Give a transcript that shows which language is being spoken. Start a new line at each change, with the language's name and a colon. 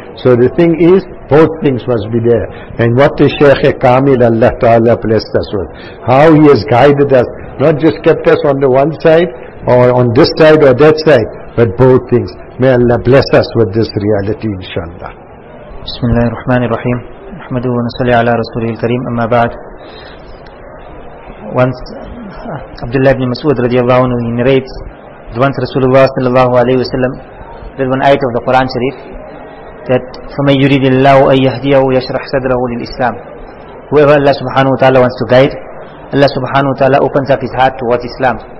English: So the thing is, both things must be there. And what the Shaykh Kamil Allah Ta'ala blessed us with. How he has guided us, not just kept us on the one side, or on this side or that side, but both things. May Allah bless us with this reality, inshaAllah. Bismillahirrahmanirrahim.
Arabic: نحمده ونصلي على رسوله الكريم أما بعد.
English: Abdullah ibn Mas'ud radiallahu anhu, he narrates that once Rasulullah sallallahu alayhi wa sallam read one ayat of the Quran Sharif that
Arabic: فَمَنْ يُرِدِ اللَّهُ أَنْ يَهْدِيَهُ يَشْرَحْ صَدْرَهُ لِلْإِسْلَامِ.
English: Whoever Allah subhanahu wa ta'ala wants to guide, Allah subhanahu wa ta'ala opens up his heart towards Islam.